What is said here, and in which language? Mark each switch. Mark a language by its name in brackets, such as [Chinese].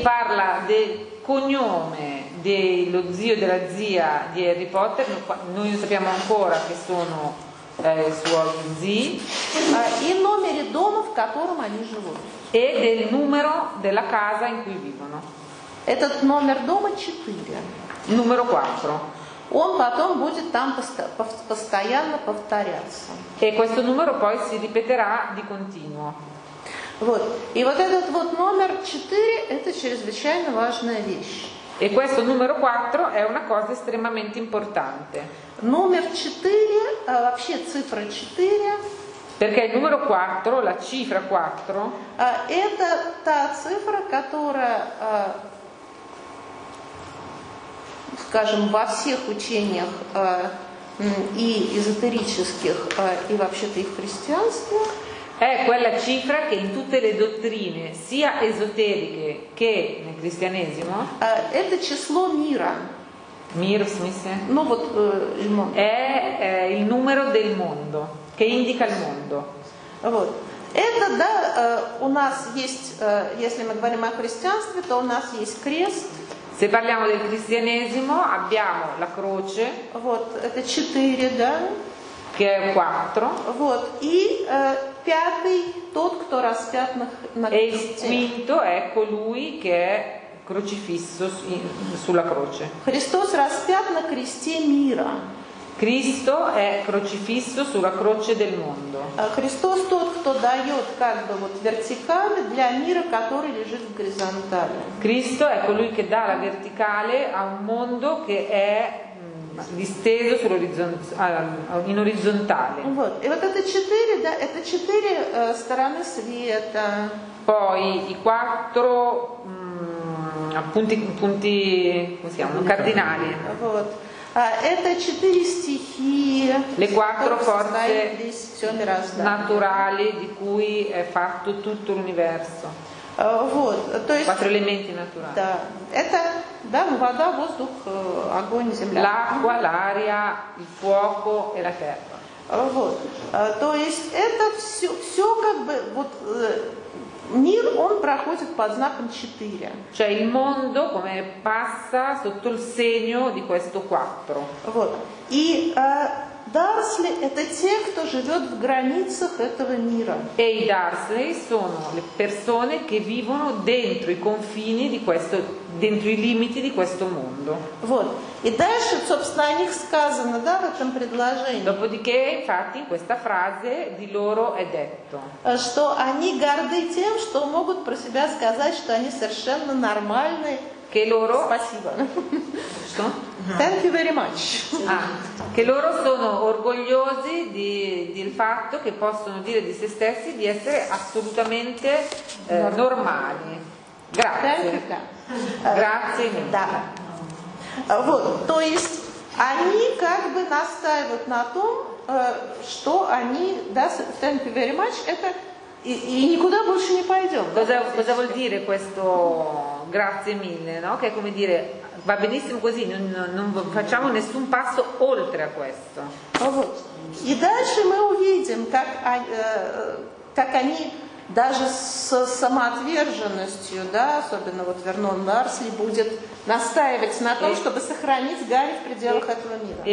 [Italian] Si parla del cognome dello zio della zia di Harry Potter, noi non sappiamo ancora che sono suoi zii. [Russian] И номере дома, в котором они живут. [Italian] E del numero della casa in cui vivono. [Russian] Этот номер дома 4. [Italian] Numero 4. [Russian] Он потом будет там постоянно повторяться. [Italian] E questo numero poi si ripeterà di continuo. [Russian] Вот. И вот этот вот номер 4 это чрезвычайно важная вещь. [Italian] E questo numero 4 è una cosa estremamente importante. [Russian] Номер 4, а вообще цифра 4. [Italian] Perché il numero 4, la cifra 4, [Russian] это та цифра, которая скажем, во всех учениях и эзотерических, и вообще-то и в христианстве. [Italian] È quella cifra che in tutte le dottrine, sia esoteriche che nel cristianesimo. [Russian] Это число мира. Мир, в смысле? Ну вот, [Italian] il mondo. È il numero del mondo, che indica il mondo. [Russian] Вот. Это, да, у нас есть, если мы говорим о христианстве, то у нас есть крест. [Italian] Se parliamo del cristianesimo, abbiamo la croce. [Russian] Вот, это 4, да? [Italian] Che è 4. [Russian] Вот, и пятый тот, кто распят на кресте. [Italian] E il quinto è colui che è crocifisso sulla croce. [Russian] Христос распят на кресте мира. [Italian] Cristo è crocifisso sulla croce del mondo. [Russian] Христос тот, кто дает как бы вот вертикали для мира, который лежит в горизонтали. [Italian] Cristo è colui che dà la verticale a un mondo che è disteso in orizzontale. [Russian] Вот. И вот это четыре, да, это четыре стороны света. [Italian] Poi i quattro punti come si chiamano cardinali. [Russian] Вот. Это четыре стихии. [Italian] Le quattro forze naturali di cui è fatto tutto l'universo. [Russian] Вот, то есть. [Italian] Quattro elementi naturali. [Russian] Да, это, да, вода, воздух, огонь, земля. [Italian] L'acqua, l'aria, il fuoco e la terra. [Russian] Вот, то есть это все, все как бы вот. Мир, он проходит под знаком 4. [Italian] Cioè il mondo come passa sotto il segno di questo 4. [Russian] Вот. И Дарсли это те, кто живет в границах этого мира. [Italian] E i Dursley sono le persone che vivono dentro i confini di questo, dentro i limiti di questo mondo. [Russian] Вот. И дальше, собственно, о них сказано, да, в этом предложении. [Italian] Dopodiché, infatti, in questa frase di loro è detto. [Russian] Что они горды тем, что могут про себя сказать, что они совершенно нормальные. [Italian] Che loro. [Russian] Спасибо. Что? [English] Thank you very much. [Italian] Ah, che loro sono orgogliosi del fatto che possono dire di se stessi di essere assolutamente normali. Grazie. Grazie. [Russian] Да. Вот, то есть они как бы настаивают на том, что они, да, [English] thank you very much, [Russian] это и никуда больше не пойдем. [Italian] Cosa vuol dire questo grazie mille, no? Che è come dire va benissimo così, non facciamo nessun passo oltre a questo. [Russian] Вот. И дальше мы увидим, как они даже с самоотверженностью, да, особенно вот Вернон Дарсли будет настаивать на том, чтобы сохранить Гарри в пределах этого мира.